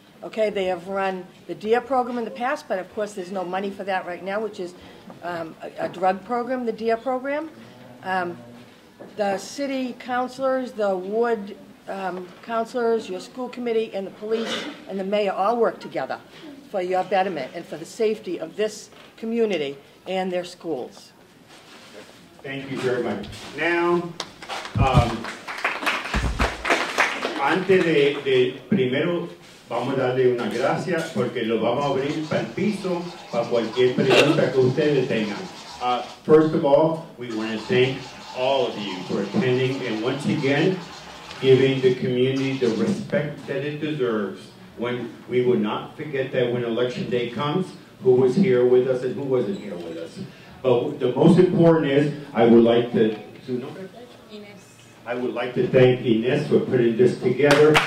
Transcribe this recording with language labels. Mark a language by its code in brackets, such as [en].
[en] Okay, they have run the DEAR program in the past, but of course there's no money for that right now, which is a drug program, the DEAR program. The city councilors, the ward councilors, your school committee, and the police, and the mayor all work together for your betterment and for the safety of this community and their schools. Thank you very much. [es] Now, antes de primero, vamos a darle una gracia porque lo vamos a abrir para el piso para cualquier pregunta que ustedes tengan. [en] First of all, we want to thank all of you for attending and once again giving the community the respect that it deserves. When we will not forget that when election day comes, who was here with us and who wasn't here with us. But the most important is I would like to thank Ines for putting this together.